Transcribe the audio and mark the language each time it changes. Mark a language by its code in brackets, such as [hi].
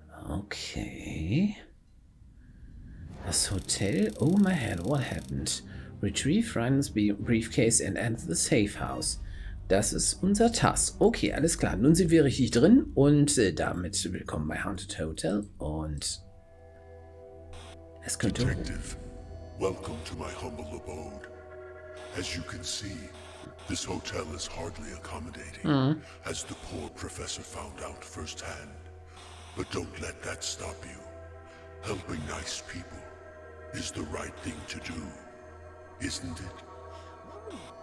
[de] Okay. Das Hotel? [en] Oh my head, what happened? Retrieve Ryan's briefcase and enter the safe house. [de] Das ist unser Task. Okay, alles klar. Nun sind wir richtig drin und damit willkommen bei Haunted Hotel und es könnte... [en] Detective, welcome to my humble abode. As you can see, this hotel is hardly accommodating, as the poor professor found out firsthand. But don't let that stop you. Helping nice people is the right thing to do, isn't it?